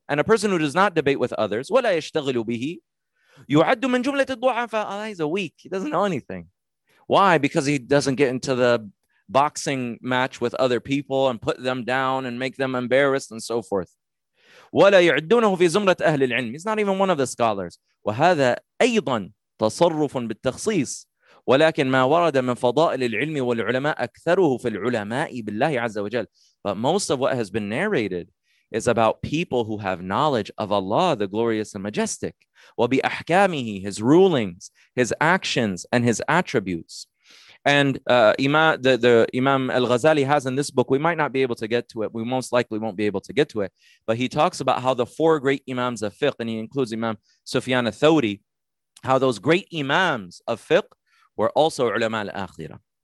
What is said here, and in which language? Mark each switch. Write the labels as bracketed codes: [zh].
[en] And a person who does not debate with others, [ar] وَلَا يَشْتَغِلُ بِهِ, يُعَدُّ مِنْ جُمْلَةِ الضُّعَفَاءِ. [en] Oh, he's a weak. He doesn't know anything. Why? Because he doesn't get into the boxing match with other people and put them down and make them embarrassed and so forth. [ar] وَلَا يُعَدُّونَهُ فِي زُمْرَةِ أَهْلِ الْعِلْمِ. [en] He's not even one of the scholars. [ar] وَهَذَا أَيْضًا تَصَرُّفٌ بِالتَّخْصِيصِ. ولكن ما ورد من فضائل العلم والعلماء أكثره في العلماء بالله عز وجل. [en] But most of what has been narrated is about people who have knowledge of Allah, the glorious and majestic. [ar] وبأحكامه, [en] his rulings, his actions, and his attributes. And the Imam al-Ghazali has in this book, we might not be able to get to it, we most likely won't be able to get to it, but he talks about how the four great imams of fiqh, and he includes Imam Sufyan al-Thawri, how those great imams of fiqh were also ulama al-akhirah.